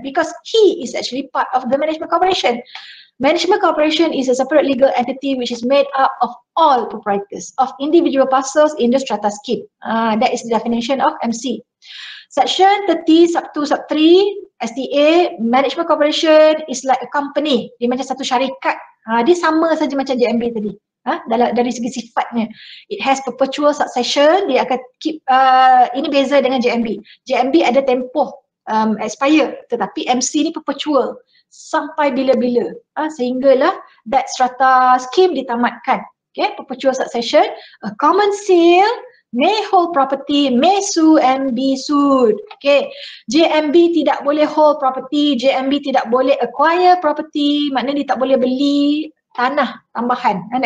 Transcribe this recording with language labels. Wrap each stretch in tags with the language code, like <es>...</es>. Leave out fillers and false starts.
<en>Because he is actually part of the management corporation. Management corporation is a separate legal entity which is made up of all proprietors of individual parcels in the strata scheme. That is the definition of MC. Section 30, sub 2, sub 3, STA, management corporation is like a company.</en> <ms>Dia macam satu syarikat. Dia sama saja macam JMB tadi. Dari segi sifatnya.</ms> <en>It has perpetual succession.</en> <ms>Dia akan keep, ini beza dengan JMB. JMB ada tempoh expire. Tetapi MC ni perpetual. Sampai bila-bila. Sehinggalah</ms> <en>that strata scheme</en> <ms>ditamatkan.</ms> <en>Okay, perpetual succession. A common sale may hold property, may sue and be sued.</en> <ms>Okay, JMB tidak boleh</ms> <en>hold property,</en> <ms>JMB tidak boleh</ms> <en>acquire property,</en> <ms>maknanya dia tak boleh beli tanah tambahan.</ms>